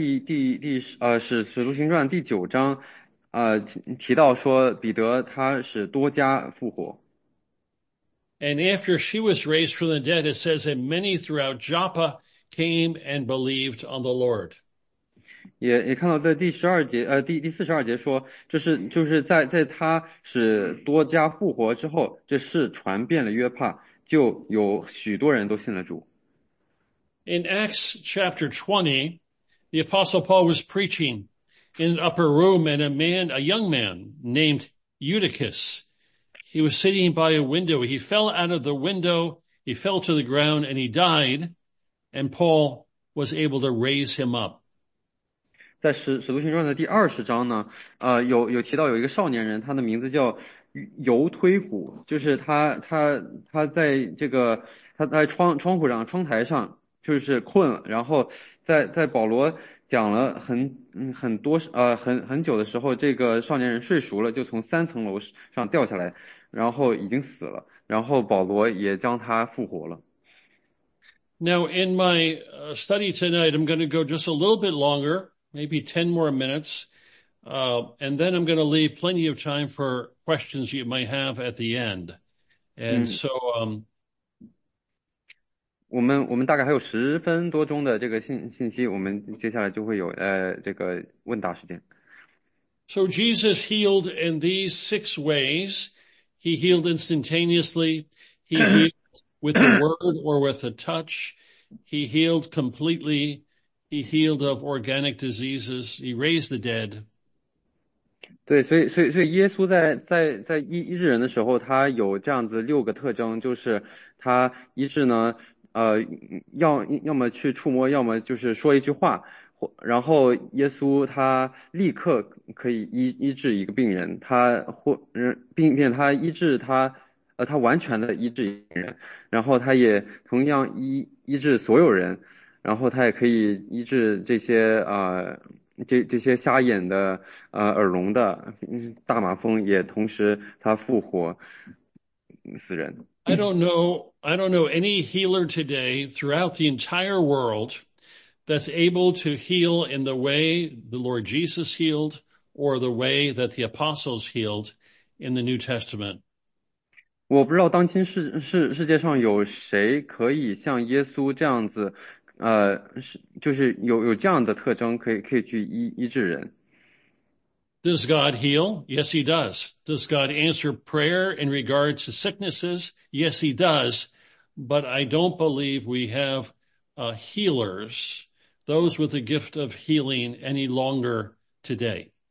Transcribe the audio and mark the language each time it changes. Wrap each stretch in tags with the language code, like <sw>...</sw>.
<zh>在使徒行传第九章，提到说彼得他使多加复活。</zh> <en>And after she was raised from the dead, it says that many throughout Joppa came and believed on the Lord.</en> <zh>也看到在第四十二节说，就是在他使多加复活之后，这事传遍了约帕，就有许多人都信了主。</zh> <en>In Acts chapter 20, the Apostle Paul was preaching in an upper room, and a young man named Eutychus, he was sitting by a window. He fell out of the window. He fell to the ground and he died. And Paul was able to raise him up.</en> <zh>在使徒行传的第二十章呢，有提到有一个少年人，他的名字叫尤推古，就是他在这个他在窗户上窗台上就是困了，然后在保罗讲了很久的时候，这个少年人睡熟了，就从三层楼上掉下来。然后已经死了，然后保罗也将他复活了。</zh> <en>Now, in my study tonight, I'm going to go just a little bit longer, maybe 10 more minutes, and then I'm going to leave plenty of time for questions you might have at the end. And so,</en> <zh>我们大概还有10分多钟的这个信息，我们接下来就会有这个问答时间。</zh> <en>So Jesus healed in these six ways. He healed instantaneously. He healed with the word or with a touch. He healed completely. He healed of organic diseases. He raised the dead.</en> <zh>对，所以耶稣在医治人的时候，他有这样子六个特征，就是他医治呢，要么去触摸，要么就是说一句话，然后耶稣他立刻可以医治一个病人，他或并且他医治他。他完全的医治人，然后他也同样医治所有人，然后他也可以医治这些这些瞎眼的耳聋的大麻风，也同时他复活死人。</zh> <en>I don't know any healer today throughout the entire world that's able to heal in the way the Lord Jesus healed or the way that the apostles healed in the New Testament.</en> <zh>我不知道当今世界上有谁可以像耶稣这样子，就是有这样的特征可以去医治人。</zh> <en>Does God heal? Yes, he does. Does God answer prayer in regard to sicknesses? Yes, he does. But I don't believe we have healers, those with the gift of healing, any longer today.</en>